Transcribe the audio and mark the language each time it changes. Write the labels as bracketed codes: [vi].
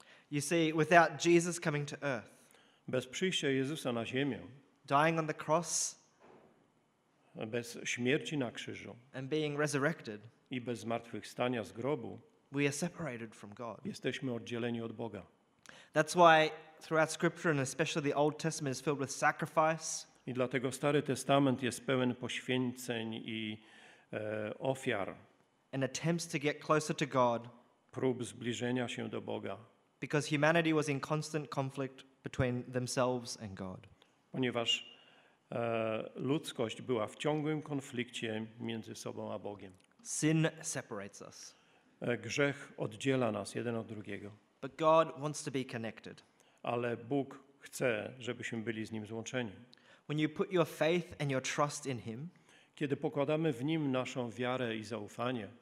[en] You see, without Jesus coming to earth. [pl] Bez przyjścia Jezusa na ziemię. [en] Dying on the cross. [pl] Bez śmierci na krzyżu. [en] And being resurrected. [pl] I bez zmartwychwstania z grobu. [en] We are separated from God. [pl] Jesteśmy oddzieleni od Boga. [en] That's why throughout scripture and especially the Old Testament is filled with sacrifice. [pl] I dlatego Stary Testament jest pełen poświęceń i ofiar. [en] And attempts to get closer to God. [pl] Prób zbliżenia się do Boga. [en] Because humanity was in constant conflict between themselves and God. [pl] Ponieważ ludzkość była w ciągłym konflikcie między sobą a Bogiem. [en] Sin separates us. [pl] Grzech oddziela nas jeden od drugiego. [en] But God wants to be connected. [pl] Ale Bóg chce, żebyśmy byli z Nim złączeni. [en] When you put your faith and your trust in Him, [pl] kiedy pokładamy w Nim naszą wiarę i zaufanie,